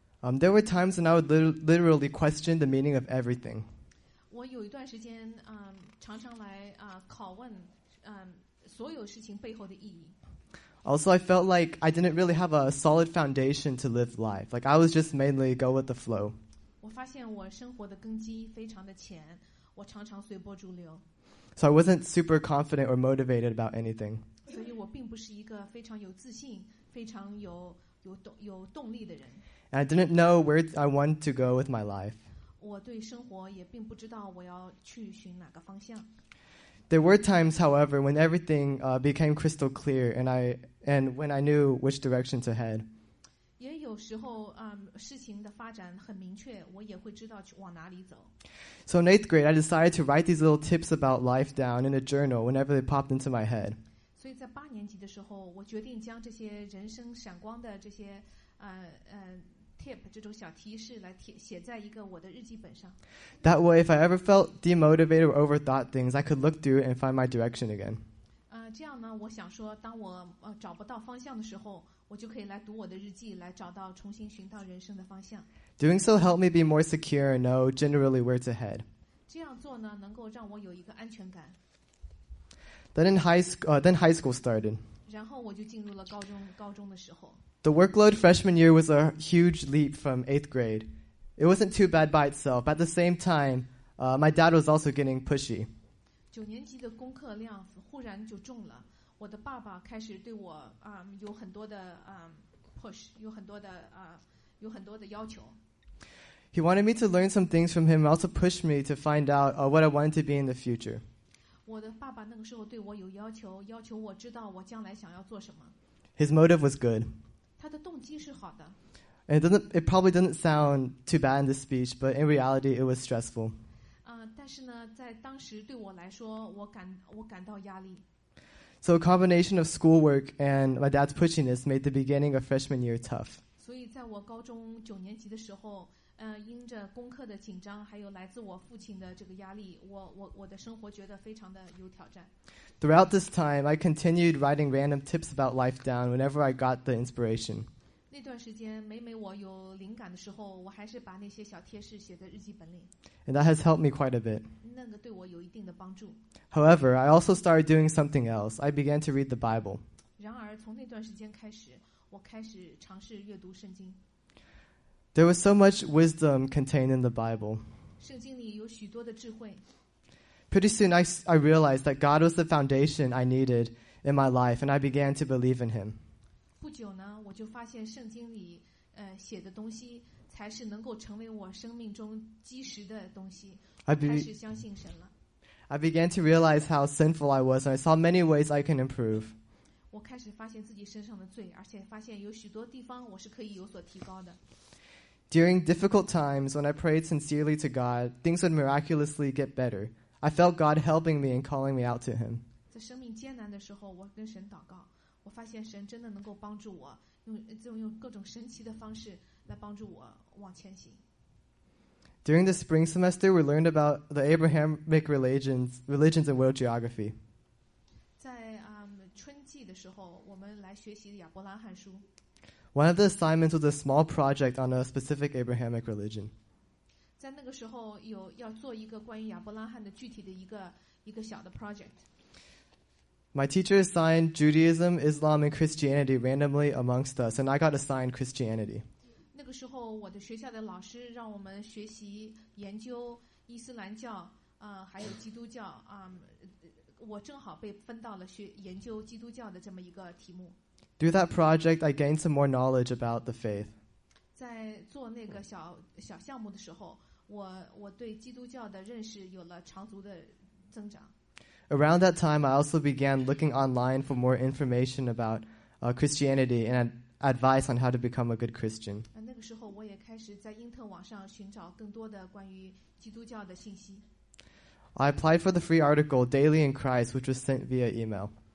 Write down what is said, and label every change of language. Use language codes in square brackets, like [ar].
[en] There were times when I would literally question the meaning of everything. [zh] 我有一段时间常常来拷问所有事情背后的意义。 [en] Also, I felt like I didn't really have a solid foundation to live life. Like, I was just mainly go with the flow. [zh] 我发现我生活的根基非常的浅，我常常随波逐流。 [en] So I wasn't super confident or motivated about anything. [zh] 所以我并不是一个非常有自信，非常有动力的人。 [en] And I didn't know where I wanted to go with my life. [zh] 我对生活也并不知道我要去寻哪个方向。 [en] There were times, however, when everything became crystal clear, and when I knew which direction to head. [zh] 也有时候，事情的发展很明确，我也会知道去往哪里走。 [en] So in eighth grade, I decided to write these little tips about life down in a journal whenever they popped into my head. [zh] 所以在八年级的时候，我决定将这些人生闪光的这些tip 这种小提示来写在一个我的日记本上。 [en] That way, if I ever felt demotivated or overthought things, I could look through it and find my direction again. [zh] 这样呢，我想说，当我找不到方向的时候，我就可以来读我的日记，来找到重新寻到人生的方向。 [en] Doing so helped me be more secure and know generally where to head. [zh] 这样做呢，能够让我有一个安全感。 [en] Then high school started. [zh] 然后我就进入了高中的时候。 [en] The workload freshman year was a huge leap from eighth grade. It wasn't too bad by itself, but at the same time, my dad was also getting pushy. [zh] 九年级的功课量忽然就重了，我的爸爸开始对我有很多的push， 有很多的要求。 [en] He wanted me to learn some things from him, and also pushed me to find out what I wanted to be in the future. [zh] 我的爸爸那个时候对我有要求，要求我知道我将来想要做什么。 [en] His motive was good. [zh] 他的动机是好的。 [en] It probably doesn't sound too bad in this speech, but in reality, it was stressful. [zh] 但是呢，在当时对我来说，我感到压力。 [en] So a combination of schoolwork and my dad's pushiness made the beginning of freshman year tough. [zh] 所以在我高中九年级的时候，因着功课的紧张，还有来自我父亲的这个压力，我的生活觉得非常的有挑战。 [en] Throughout this time, I continued writing random tips about life down whenever I got the inspiration. [zh] 那段时间，每每我有灵感的时候，我还是把那些小贴士写在日记本里。 [en] And that has helped me quite a bit. [zh] 那个对我有一定的帮助。 [en] However, I also started doing something else. I began to read the Bible. [zh] 然而，从那段时间开始，我开始尝试阅读圣经。 [en] There was so much wisdom contained in the Bible. [zh] 圣经里有许多的智慧。 [en] Pretty soon I realized that God was the foundation I needed in my life, and I began to believe in him. [zh] 不久呢，我就发现圣经里写的东西才是能够成为我生命中基石的东西。开始相信神了。 [en] I began to realize how sinful I was, and I saw many ways I can improve. [zh] 我开始发现自己身上的罪，而且发现有许多地方我是可以有所提高的。 [en] During difficult times, when I prayed sincerely to God, things would miraculously get better. I felt God helping me and calling me out to him. [zh] 在生命艰难的时候，我跟神祷告，我发现神真的能够帮助我，用各种神奇的方式来帮助我往前行。 [en] During the spring semester, we learned about the Abrahamic religions and world geography. [zh] 在春季的时候，我们来学习亚伯拉罕书。 [en] One of the assignments was a small project on a specific Abrahamic religion. [zh] 在那个时候有要做一个关于亚伯拉罕的具体的一个小的 project. [en] My teacher assigned Judaism, Islam, and Christianity randomly amongst us, and I got assigned Christianity. [zh] 那个时候我的学校的老师让我们学习研究伊斯兰教还有基督教我正好被分到了研究基督教的这么一个题目。 [en] Through that project, I gained some more knowledge about the faith. [zh] 在做那个小项目的时候，我对基督教的认识有了长足的增长。 [en] Around that time, I also began looking online for more information about Christianity and advice on how to become a good Christian. [zh] 那个时候，我也开始在因特网上寻找更多的关于基督教的信息。 [en] I applied for the free article "Daily in Christ," which was sent via email.